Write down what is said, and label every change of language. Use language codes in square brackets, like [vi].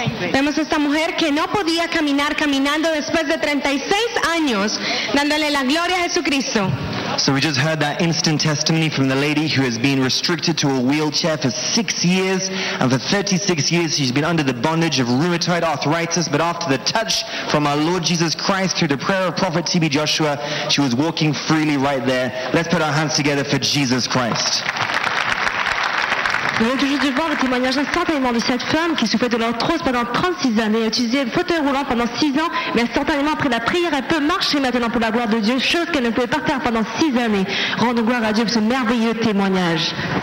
[es] Vemos esta mujer que no podía caminar, caminando después de 36 años, dándole la gloria a Jesucristo. [en] So we just heard that instant testimony from the lady who has been restricted to a wheelchair for 6 years, and for 36 years she's been under the bondage of rheumatoid arthritis, but after the touch from our Lord Jesus Christ through the prayer of Prophet T.B. Joshua, she was walking freely right there. Let's put our hands together for Jesus Christ. [fr] Nous venons juste de voir le témoignage instantanément de cette femme qui souffrait de l'arthrose pendant 36 années, utilisait le fauteuil roulant pendant 6 ans, mais instantanément après la prière, elle peut marcher maintenant pour la gloire de Dieu, chose qu'elle ne pouvait pas faire pendant 6 années. Rendons gloire à Dieu pour ce merveilleux témoignage.